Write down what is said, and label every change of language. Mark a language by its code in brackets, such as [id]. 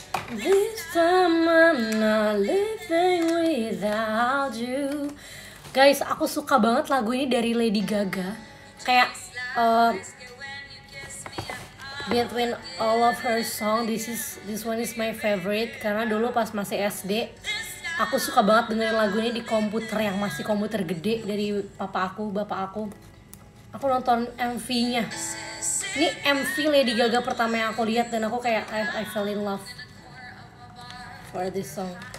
[en] This time I'm not living without you. [id] Guys, aku suka banget lagu ini dari Lady Gaga. [en] Kayak between all of her song, this one is my favorite. [id] Karena dulu pas masih SD, aku suka banget dengerin lagu ini di komputer yang masih komputer gede dari papa aku, bapak aku. Aku nonton MV-nya. Ini MV Lady Gaga pertama yang aku lihat dan aku kayak [en] I fell in love for this song.